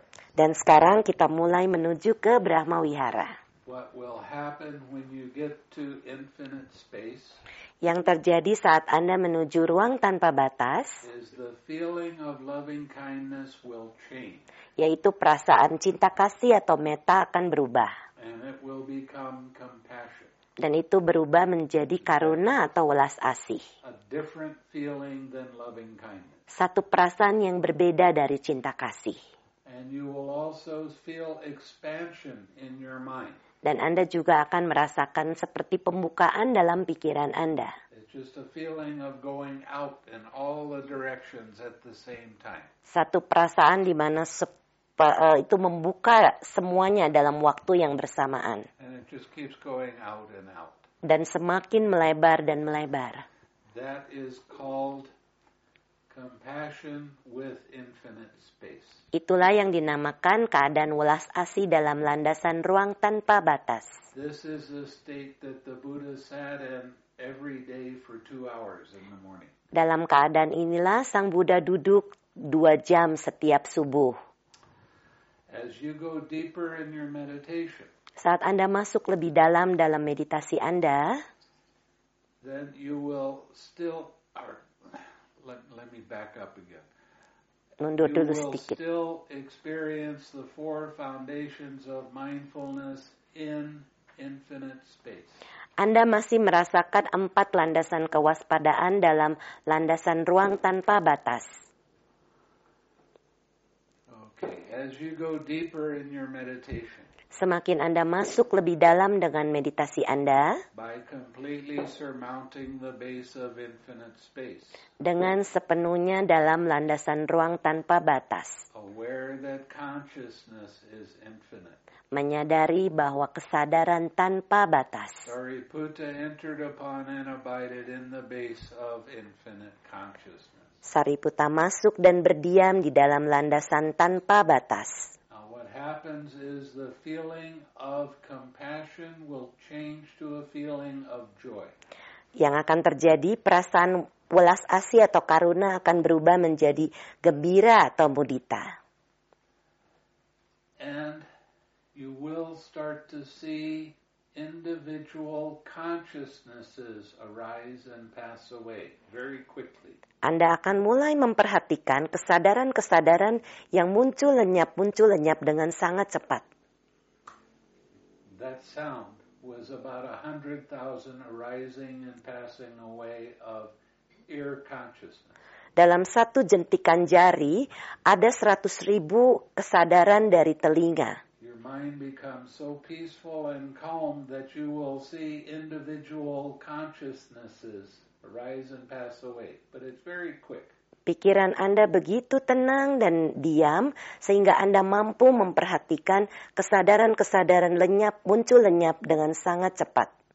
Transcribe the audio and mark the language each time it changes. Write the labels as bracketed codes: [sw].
[id] Dan sekarang kita mulai menuju ke Brahma Vihara. [en] What will happen when you get to infinite space? [id] Yang terjadi saat Anda menuju ruang tanpa batas [en] is the feeling of loving kindness will change. [id] Yaitu perasaan cinta kasih atau metta akan berubah. [en] And it will become compassion. [id] Dan itu berubah menjadi karuna atau welas asih. [en] A different feeling than loving kindness. [id] Satu perasaan yang berbeda dari cinta kasih. [en] And you will also feel expansion in your mind. [id] Dan Anda juga akan merasakan seperti pembukaan dalam pikiran Anda. [en] It's just a feeling of going out in all the directions at the same time. [id] Satu perasaan di mana itu membuka semuanya dalam waktu yang bersamaan. [en] And it just keeps going out and out. [id] Dan semakin melebar dan melebar. [en] That is called compassion with infinite space. [id] Itulah yang dinamakan keadaan welas asih dalam landasan ruang tanpa batas. [en] This is the state that the Buddha sat in every day for 2 hours in the morning. [id] Dalam keadaan inilah Sang Buddha duduk 2 jam setiap subuh. [en] As you go deeper in your meditation, [id] saat Anda masuk lebih dalam dalam meditasi Anda, [en] then you will still, or, let me back up again. [id] Mundur dulu [en] you [id] sedikit. [en] You will still experience the 4 foundations of mindfulness in infinite space. [id] Anda masih merasakan 4 landasan kewaspadaan dalam landasan ruang tanpa batas. [en] Okay, as you go deeper in your meditation, [id] semakin Anda masuk lebih dalam dengan meditasi Anda, [en] by completely surmounting the base of infinite space, [id] dengan sepenuhnya dalam landasan ruang tanpa batas, [en] aware that consciousness is infinite, [id] menyadari bahwa kesadaran tanpa batas, [en] Sariputta entered upon and abided in the base of infinite consciousness. [id] Sariputta masuk dan berdiam di dalam landasan tanpa batas. [en] Happens is the feeling of compassion will change to a feeling of joy. [id] Yang akan terjadi, perasaan welas asih atau karuna akan berubah menjadi gembira atau mudita. [en] And you will start to see individual consciousnesses arise and pass away very quickly. [id] Anda akan mulai memperhatikan kesadaran-kesadaran yang muncul lenyap dengan sangat cepat. [en] That sound was about 100,000 arising and passing away of ear consciousness. [id] Dalam satu jentikan jari ada 100,000 kesadaran dari telinga. [en] Mind becomes so peaceful and calm that you will see individual consciousnesses arise and pass away, but it's very quick. [id] Pikiran Anda begitu tenang dan diam sehingga Anda mampu memperhatikan kesadaran-kesadaran lenyap muncul lenyap dengan sangat cepat.